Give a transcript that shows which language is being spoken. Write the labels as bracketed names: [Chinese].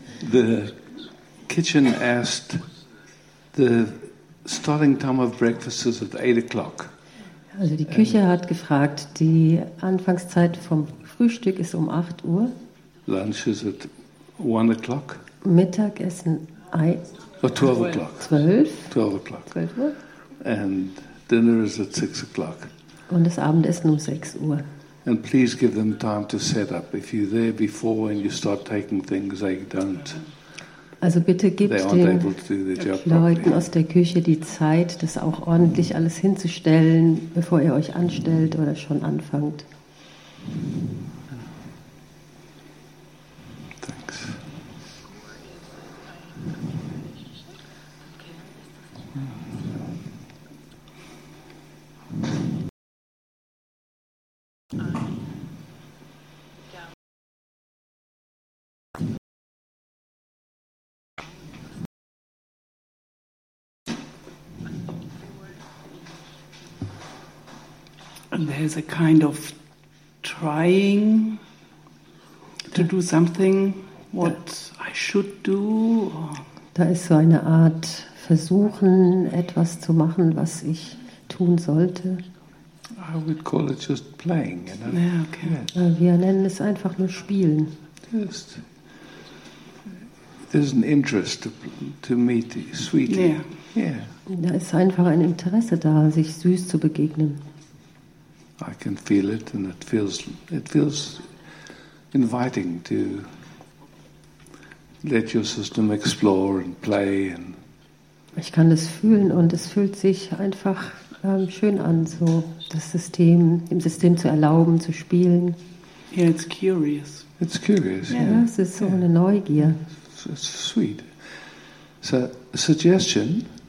[English] The kitchen asked the starting time of breakfast is at 8 o'clock. [German] Also die Küche hat gefragt, die Anfangszeit vom Frühstück ist um 8 Uhr. [English] Lunch is at 1 o'clock. [German] Mittagessen [English] 12 o'clock. And dinner is at 6 o'clock. [German] Und das Abendessen um 6 Uhr. [English] And please give them time to set up. If you're there before and you start taking things, they don't. [German] Also bitte gebt den Leuten aus der Küche die Zeit, das auch ordentlich alles hinzustellen, bevor ihr euch anstellt oder schon anfangt. [English] Thanks. And there's a kind of trying to do something, what I should do. [German] Da ist so eine Art Versuchen, etwas zu machen, was ich tun sollte. [English] I would call it just playing, you know. Yeah, okay. [German] Yes. Wir nennen es einfach nur Spielen. [English] Just, there's an interest to meet sweetly. Yeah. [German] Da ist einfach ein Interesse da, sich süß zu begegnen. [English] I can feel it, and it feels inviting to let your system explore and play. And [German] ich kann das fühlen, und es fühlt sich einfach schön an, so das System, im System zu erlauben, zu spielen. [English] Yeah, it's curious. It's curious. [German] Yeah, es ist so eine Neugier. [English] It's sweet. So, a suggestion.